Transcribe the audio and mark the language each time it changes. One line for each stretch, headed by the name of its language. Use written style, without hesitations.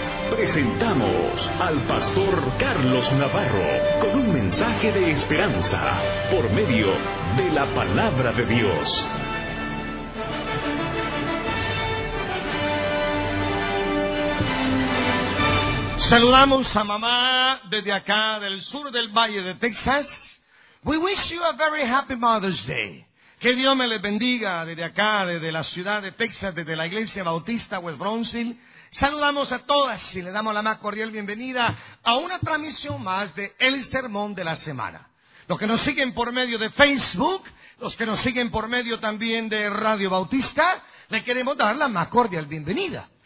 Spanish: Presentamos al Pastor Carlos Navarro con un mensaje de esperanza por medio de la Palabra de Dios. Saludamos a mamá desde acá, del sur del Valle de Texas.
English: We wish you a very happy Mother's Day.
Spanish: Que Dios me les bendiga desde acá, desde la ciudad de Texas, desde la Iglesia Bautista West Brownsville. Saludamos a todas y le damos la más cordial bienvenida a una transmisión más de El Sermón de la Semana. Los que nos siguen por medio de Facebook, los que nos siguen por medio también de Radio Bautista, le queremos dar la más cordial bienvenida.